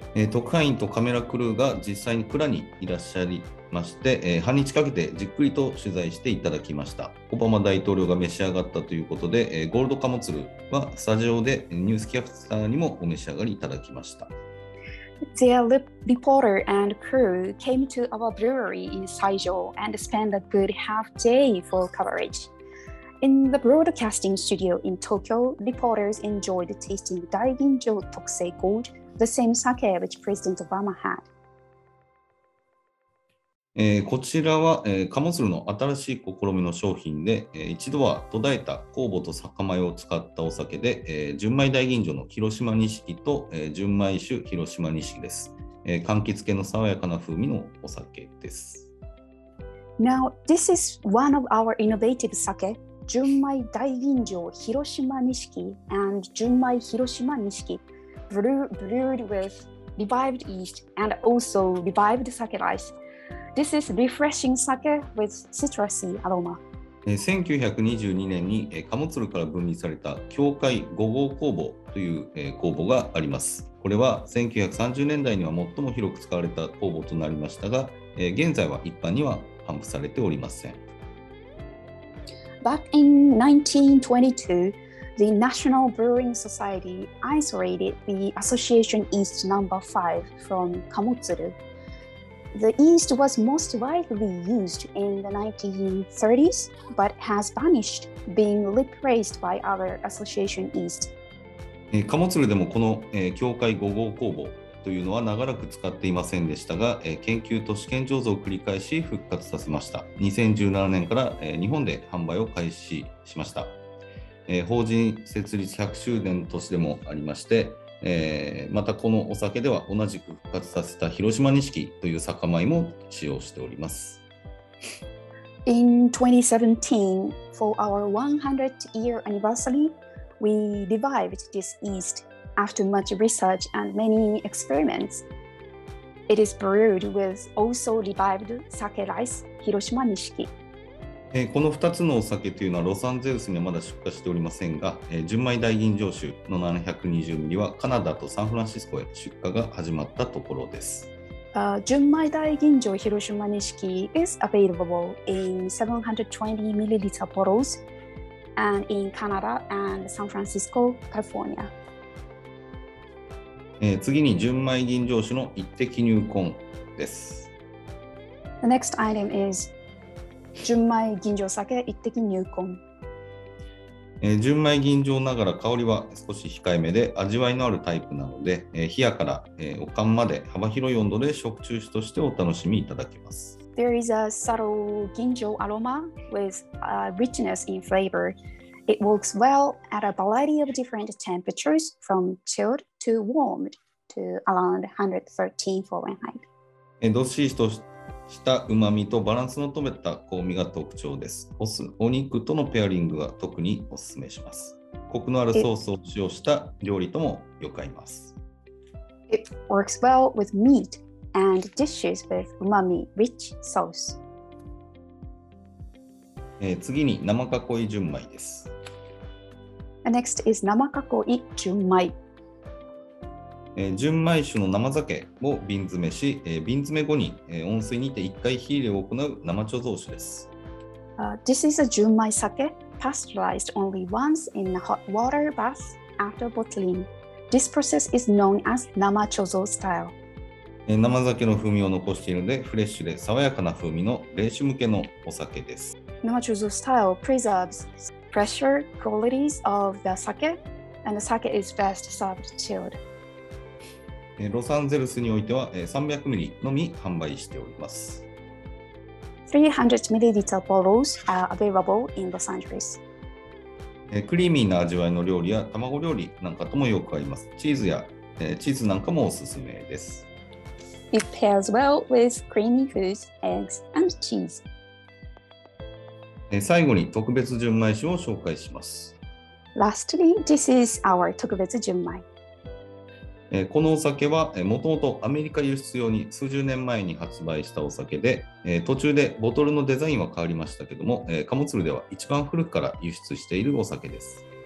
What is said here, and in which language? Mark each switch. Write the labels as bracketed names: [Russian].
[Japanese] 特派員とカメラクルーが実際にクラにいらっしゃりまして、半日かけてじっくりと取材していただきました。オバマ大統領が召し上がったということで、ゴールドカモツルはスタジオでニュースキャスターにもお召し上がりいただきました。 [English] Their reporter and crew came to our brewery in Saijo and spent a good half day for coverage. In the broadcasting studio in Tokyo, reporters enjoyed tasting Daiginjo Tokusei Gold, the same sake which President Obama had. [Japanese] こちらは、カモツルの新しい試みの商品で、一度は途絶えた酵母と酒米を使ったお酒で、純米大吟醸の広島錦と、純米酒広島錦です、柑橘系の爽やかな風味のお酒です。 [English] Now this is one of our innovative sake 純米大吟醸広島錦 and 純米広島錦 brewed with revived yeast and also revived sake rice。 This is refreshing sake with citrusy aroma. [Japanese] 1922年に貨物路から分離された教会5号酵母という酵母があります。これは1930年代には最も広く使われた酵母となりましたが、現在は一般には販売されておりません。 [English] Back in 1922, the National Brewing Society isolated the Association East No. 5 from 貨物路。 The yeast was most widely used in the 1930s, but has vanished, being replaced by other association yeast. [Japanese] 貨物路でもこの教会5号酵母というのは長らく使っていませんでしたが、研究と試験醸造を繰り返し復活させました。 2017年から日本で販売を開始しました。法人設立100周年の年でもありまして、またこのお酒では同じく復活させた広島錦という酒米も使用しております。 [English] In 2017, for our 100th year anniversary, we revived this yeast after much research and many experiments. It is brewed with also revived sake rice, 広島錦。 [Japanese] この2つのお酒というのはロサンゼルスにはまだ出荷しておりませんが、純米大吟醸酒の720ミリはカナダとサンフランシスコへ出荷が始まったところです。 [English] 純米大吟醸広島錦 is available in 720 milliliter bottles and in Canada and San Francisco, California。 [Japanese] 次に純米吟醸酒の一滴入魂です。 [English] The next item is純米吟醸酒一滴入魂。 [Japanese] 純米吟醸ながら香りは少し控えめで味わいのあるタイプなので、冷やから、おかんまで幅広い温度で食中酒としてお楽しみいただけます。 [English] There is a subtle 吟醸 aroma with a richness in flavor. It works well at a variety of different temperatures from chilled to warmed to around 113 Fahrenheit. [Japanese] どっしりとした旨味とバランスの取れた香味が特徴です。お酢、お肉とのペアリングは特におすすめします。コクのあるソースを使用した料理ともよく合います。 [English] It works well with meat and dishes with umami rich sauce. [Japanese] 次に生かこい純米です。 [English] Next is 生かこい純米。 [Japanese] 純米酒の生酒を瓶詰めし、瓶詰め後に温水にて1回火入れを行う生貯蔵酒です。 [English] This is a 純米酒 pasteurized only once in a hot water bath after bottling. This process is known as 生貯蔵 style. [Japanese] 生酒の風味を残しているのでフレッシュで爽やかな風味の冷酒向けのお酒です。 [English] 生貯蔵 style preserves fresher qualities of the sake, and the sake is best served chilled. [Japanese] ロサンゼルスにおいては300ミリのみ販売しております。 [English] 300ミリリットル bottles are available in Los Angeles。 [Japanese] クリーミーな味わいの料理や卵料理なんかともよく合います。チーズやチーズなんかもおすすめです。 [English] It pairs well with creamy foods, eggs, and cheese。 [Japanese] 最後に特別純米酒を紹介します。 [English] Lastly, this is our 特別純米。 [Japanese] このお酒はもともとアメリカ輸出用に数十年前に発売したお酒で、途中でボトルのデザインは変わりましたけども、カモツルでは一番古くから輸出しているお酒です。